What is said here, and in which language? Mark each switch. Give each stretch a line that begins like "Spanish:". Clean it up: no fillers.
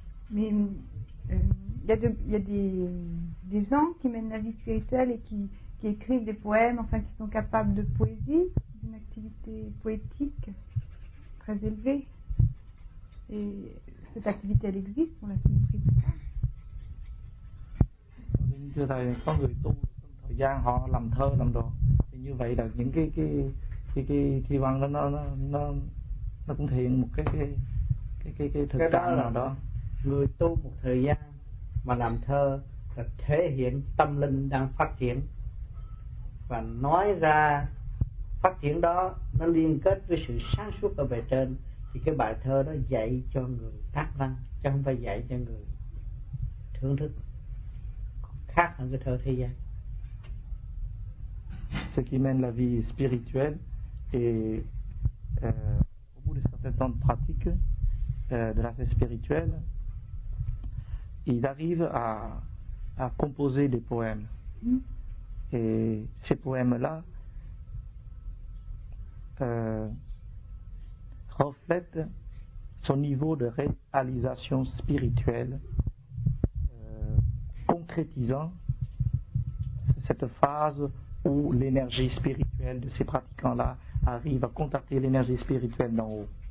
French: Mais il y a des gens qui mènent la vie spirituelle et qui écrivent des poèmes, enfin qui sont capables de poésie, d'une activité poétique très élevée. Et cette activité, elle existe, on l'a compris.
Vietnamese: Thưa thầy, có người tu trong thời gian họ làm thơ làm đồ, thì như vậy là những cái thi văn đó nó cũng thể hiện một cái thực trạng nào đó. Người tu một thời gian mà làm thơ là thể hiện tâm linh đang phát triển, và nói ra phát triển đó nó liên kết với sự sáng suốt ở bề trên, thì cái bài thơ đó dạy cho người tác văn chứ không phải dạy cho người thưởng thức, khác hơn cái thơ thế gian.
French: Ce qui mène la vie spirituelle et au bout de certains temps de pratique de la vie spirituelle, ils arrivent à composer des poèmes. Et ces poèmes-là reflètent son niveau de réalisation spirituelle, concrétisant cette phase où l'énergie spirituelle de ces pratiquants-là arrive à contacter l'énergie spirituelle d'en haut.